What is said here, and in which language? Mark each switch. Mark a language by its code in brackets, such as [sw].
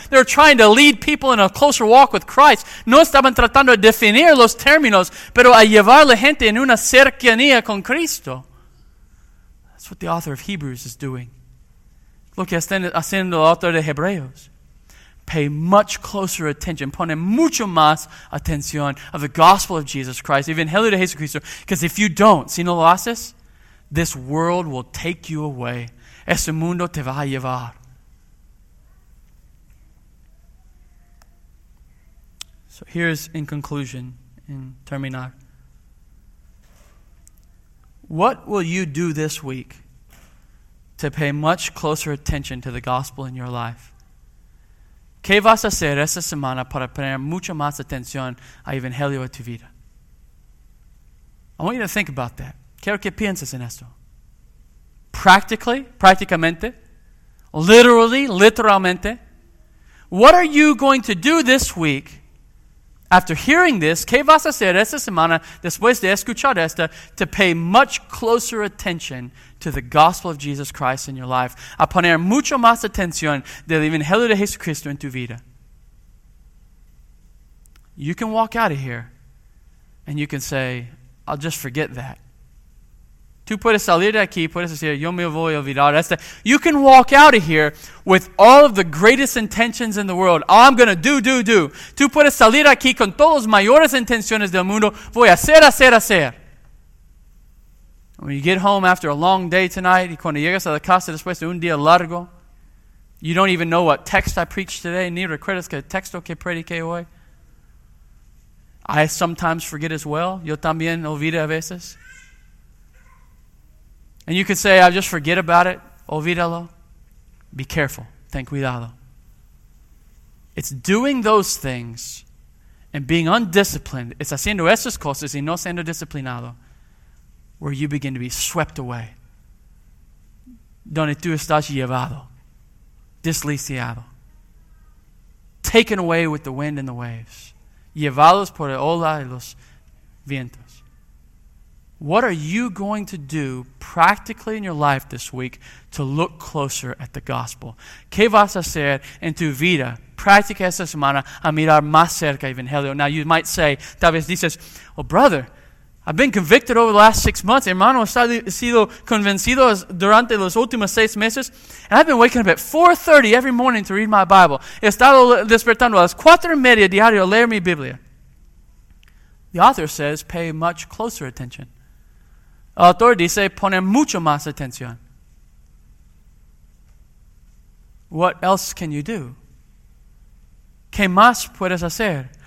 [en] They were trying to lead people in a closer walk with Christ. [es] No estaban tratando de definir los términos, pero a llevar la gente en una cercanía con Cristo. [en] That's what the author of Hebrews is doing. [es] Lo que está haciendo el autor de Hebreos. [en] Pay much closer attention. [es] Pone mucho más atención [en] of the gospel of Jesus Christ. [es] Evangelio de Jesucristo. [en] Because if you don't, [es] si no lo haces, [en] this world will take you away. [es] Ese mundo te va a llevar. [en] So here's in conclusion, in terminar. What will you do this week to pay much closer attention to the gospel in your life? [es] ¿Qué vas a hacer esta semana para poner mucho más atención al Evangelio de tu vida? [en] I want you to think about that. [es] Quiero que pienses en esto. [en] Practically, prácticamente, literally, literalmente, what are you going to do this week after hearing this? [es] ¿Qué vas a hacer esta semana después de escuchar esto [en] to pay much closer attention to the gospel of Jesus Christ in your life? [es] A poner mucho más atención del Evangelio de Jesucristo en tu vida. [en] You can walk out of here and you can say, I'll just forget that. [es] Tú puedes salir de aquí, puedes decir, yo me voy a olvidar esto. [en] You can walk out of here with all of the greatest intentions in the world. I'm going to do. [es] Tú puedes salir de aquí con todas las mayores intenciones del mundo. Voy a hacer. [en] When you get home after a long day tonight, [es] y cuando llegas a la casa después de un día largo, [en] you don't even know what text I preached today, [es] ni recuerdas que texto que prediqué hoy. [en] I sometimes forget as well. Yo también olvido a veces. And you could say, I'll just forget about it. [es] Olvídalo. [en] Be careful. [es] Ten cuidado. [en] It's doing those things and being undisciplined. It's [es] haciendo esas cosas y no siendo disciplinado [en] where you begin to be swept away. [es] Donde tú estás llevado. Desliciado. [en] Taken away with the wind and the waves. [es] Llevados por el ola y los vientos. [en] What are you going to do practically in your life this week to look closer at the gospel? [es] ¿Qué vas a hacer en tu vida práctica esta semana a mirar más cerca el Evangelio? [en] Now you might say, [es] tal vez dices, [en] well, brother, I've been convicted over the last 6 months. [es] Hermano, he sido convencido durante los últimos 6 meses. [en] And I've been waking up at 4:30 every morning to read my Bible. [es] He estado despertando a las 4:30 diario a leer mi Biblia. [en] The author says, pay much closer attention. [es] El autor dice, pone mucho más atención. [en] What else can you do? [es] ¿Qué más puedes hacer?